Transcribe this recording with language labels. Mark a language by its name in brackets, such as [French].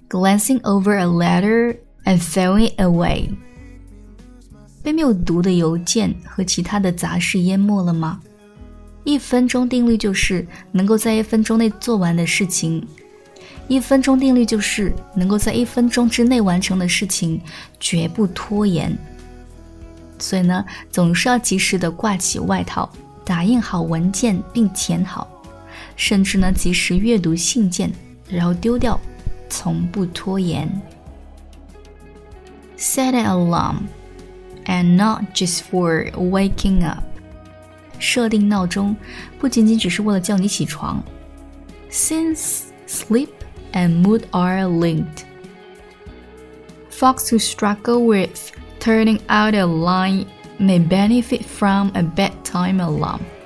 [English] Glancing over a letter and throwing it away. [Chinese] 被没有读的邮件和其他的杂事淹没了吗？一分钟定律就是能够在一分钟内做完的事情。一分钟定律就是能够在一分钟之内完成的事情，绝不拖延。所以呢，总是要及时地挂起外套，打印好文件并填好。甚至呢，及时阅读信件，然后丢掉，从不拖延。 [English] Set an alarm, and not just for waking up. [Chinese] 设定闹钟，不仅仅只是为了叫你起床。 [English] Since sleep and mood are linked, folks who struggle with turning out a light may benefit from a bedtime alarm.